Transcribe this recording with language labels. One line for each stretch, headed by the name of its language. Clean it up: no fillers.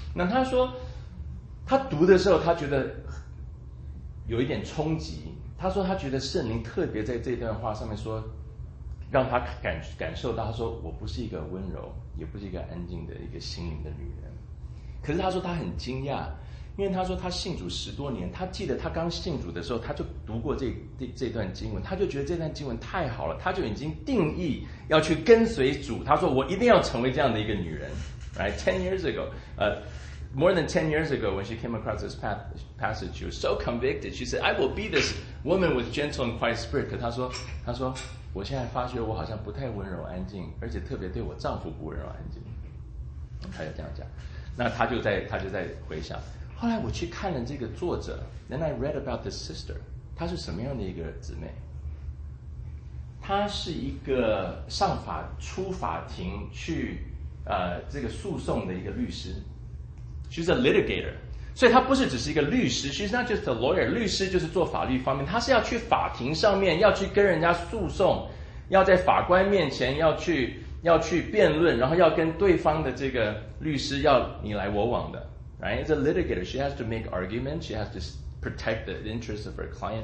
Chinese: 那他说他读的时候他觉得有一点冲击，他说他觉得圣灵特别在这段话上面说，让他感受到，他说我不是一个温柔也不是一个安静的一个心灵的女人。可是他说他很惊讶，因为他说他信主十多年，他记得他刚信主的时候他就读过 这段经文，他就觉得这段经文太好了，他就已经定义要去跟随主，他说我一定要成为这样的一个女人。
English: Right? More than 10 years ago when she came across this passage, she was so convicted. She said, I will be this woman with gentle and quiet spirit.
Chinese: 可他说我现在发觉我好像不太温柔安静，而且特别对我丈夫不温柔安静，他就这样讲。那他就在回想，后来我去看了这个作者，
English: Then I read about this sister.
Chinese: 她是什么样的一个姊妹？她是一个上法出法庭去这个诉讼的一个律师。
English: She's a litigator.
Chinese: 所以她不是只是一个律师，
English: She's not just a lawyer.
Chinese: 律师就是做法律方面，她是要去法庭上面，要去跟人家诉讼，要在法官面前要去辩论，然后要跟对方的这个律师要你来我往的。
English: Right? It's a litigator. She has to make arguments. She has to protect the interests of her client.